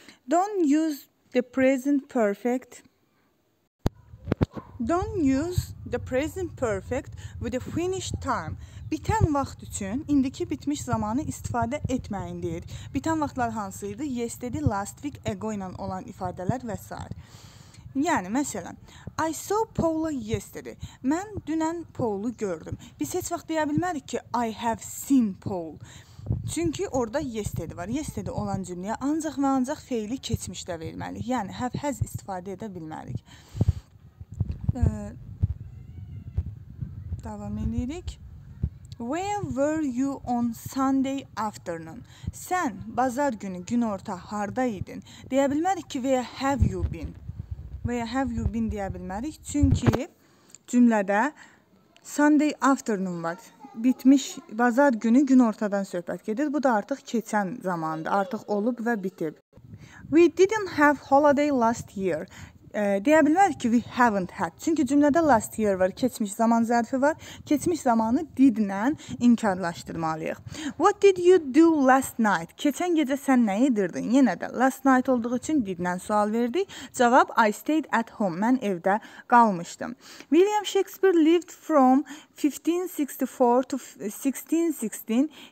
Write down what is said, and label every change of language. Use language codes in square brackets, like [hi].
[en] Don't use the present perfect. Don't use the present perfect with the finished time. [az] Bitən vaxt üçün indiki bitmiş zamanı istifadə etməyin deyir. Bitən vaxtlar hansıydı? Yesterday, last week, ago ilə olan ifadələr və s. Yəni, məsələn, [en] I saw Paula yesterday. [az] Mən dünən Paul'u gördüm. Biz heç vaxt deyə bilmərik ki, [en] I have seen Paul. [az] Çünki orada yesterday var. Yesterday olan cümləyə ancaq və ancaq feili keçmişdə verməliyik. Yəni, have, has istifadə edə bilmərik. Davam edirik. [en] Where were you on Sunday afternoon? [az] Sən bazar günü günorta harda idin? Deyə bilmərik ki, [en] where have you been? Where have you been [az] deyə bilmərik. Çünki cümlədə Sunday afternoon var. Bitmiş bazar günü günortadan söhbət gedir. Bu da artıq keçən zamandır. Artıq olub və bitib. [en] We didn't have holiday last year. [az] Deyə bilmərik ki, [en] we haven't had. [az] Çünki cümlədə last year var, keçmiş zaman zərfi var. Keçmiş zamanı did-lə inkarlaşdırmalıyıq. [en] What did you do last night? [az] Keçən gecə sən nə edirdin? Yenə də last night olduğu üçün did-lə sual verdik. Cavab, [en] I stayed at home. [az] Mən evdə qalmışdım. [en] William Shakespeare lived from 1564 to 1616.